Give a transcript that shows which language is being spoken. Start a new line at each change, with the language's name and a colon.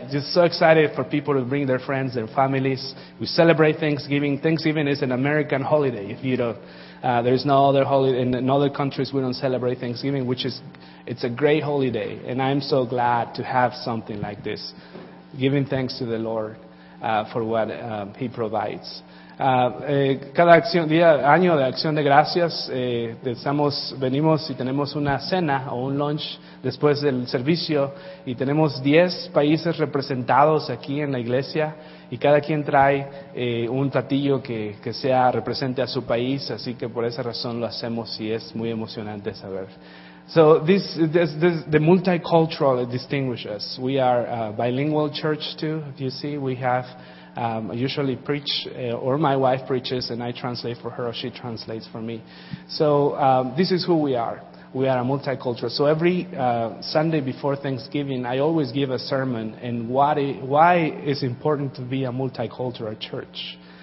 English: Just so excited for people to bring their friends, their families. We celebrate Thanksgiving. Thanksgiving is an American holiday. If you don't, there's no other holiday. In other countries, we don't celebrate Thanksgiving, which is, it's a great holiday. And I'm so glad to have something like this, giving thanks to the Lord for what he provides.
Spanish: Cada acción, día, año de Acción de Gracias, venimos y tenemos una cena o un lunch después del servicio y tenemos 10 países representados aquí en la iglesia y cada quien trae un platillo que sea represente a su país, así que por esa razón lo hacemos y es muy emocionante saber.
English: So this the multicultural distinguishes. We are a bilingual church too. If you see, we have usually preach or my wife preaches and I translate for her or she translates for me. So this is who we are. We are a multicultural. So every Sunday before Thanksgiving, I always give a sermon and why it's important to be a multicultural church.